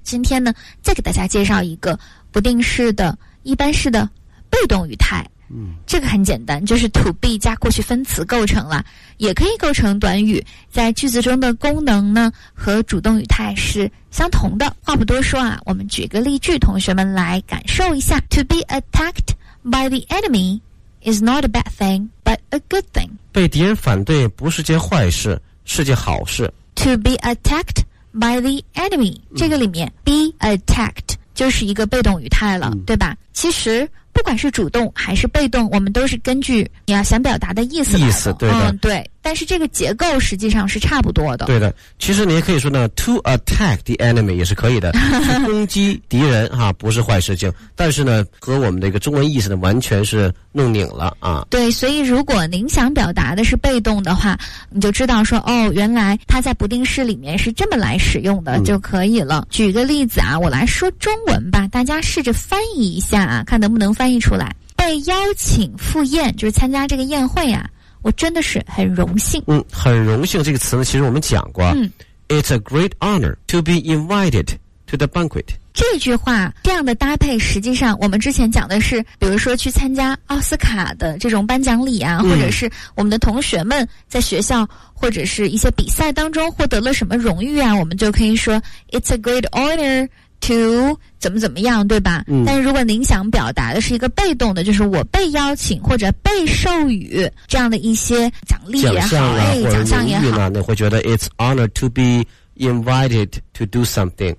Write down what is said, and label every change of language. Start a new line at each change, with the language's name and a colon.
Chinese: 今天呢再给大家介绍一个不定式的一般式的被动语态。嗯，这个很简单，就是 to be 加过去分词构成了，也可以构成短语，在句子中的功能呢和主动语态是相同的。话不多说啊，我们举个例句，同学们来感受一下。
English: To be attacked by the enemy is not a bad thing but a good thing，
Chinese: 被敌人反对不是件坏事，是件好事。
English: To be attacked by the enemy，
Chinese: 这个里面
English: be attacked
Chinese: 就是一个被动语态了。嗯，对吧？其实不管是主动还是被动，我们都是根据你要想表达的意思来的。意思，对的。嗯，对。但是这个结构实际上是差不多的。对的。其实你也可以说呢
English: to attack the enemy
Chinese: 也是可以的，去攻击敌人啊，不是坏事情。但是呢和我们的一个中文意思呢完全是弄拧了啊。对，所以如果您想表达的是被动的话，你就知道说哦，原来它在不定式里面是这么来使用的。嗯，就可以了。举个例子啊，我来说中文吧，大家试着翻译一下啊，看能不能翻译出来。被邀请赴宴，就是参加这个宴会啊，我真的是很荣幸。嗯，很荣幸这个词呢其实我们讲过。嗯，
English: It's a great honor to be invited to the banquet，
Chinese: 这句话这样的搭配实际上我们之前讲的是比如说去参加奥斯卡的这种颁奖礼啊。嗯，或者是我们的同学们在学校或者是一些比赛当中获得了什么荣誉啊，我们就可以说
English: It's a great honor to
Chinese: 怎么怎么样，对吧？嗯，但是如果您想表达的是一个被动的，就是我被邀请或者被授予这样的一些奖励也好，奖项啊，哎，奖项也好，你会觉得
English: it's honor to be invited to do something。